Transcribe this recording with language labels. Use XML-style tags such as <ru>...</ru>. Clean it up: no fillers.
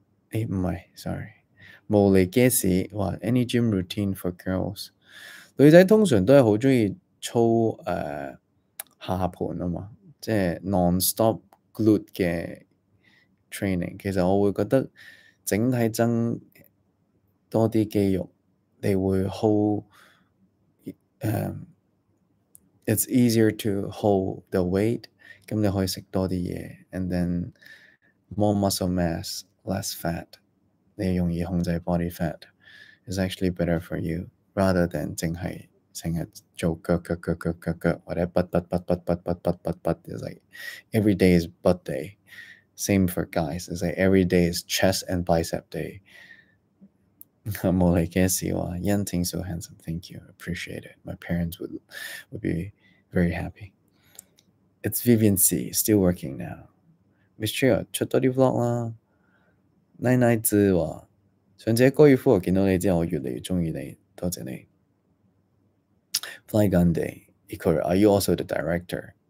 <yue>诶，唔系 ，sorry。无厘 guess 话 ，</yue> <en>any gym routine for girls？</en> <yue>女仔通常都系好中意操下盘啊嘛，即系 non-stop glute 嘅 training。其实我会觉得整体增多啲肌肉。你會</yue> <en>hold， it's easier to hold the weight，</en> <yue>咁你可以食多啲嘢</yue> <en>，and then more muscle mass， less fat，</en> <yue>你容易控制</yue> <en>body fat， is actually better for you rather than</en> <yue>淨係成日做腳或者</yue> <en>butt is like every day is butt day， same for guys， is like every day is chest and bicep day。 Molly Cassie 話 ：Yan Ting so handsome, thank you, appreciate it. My parents would be very happy. It's Vivian C, still working now.</en> <yue>Miss Chia 出多啲 vlog 啦。奶奶子話：上次喺高爾夫見到你之後，我越嚟越中意你，多謝你。</yue> <en>Fly Gandhi Ikora, are you also the director?</en>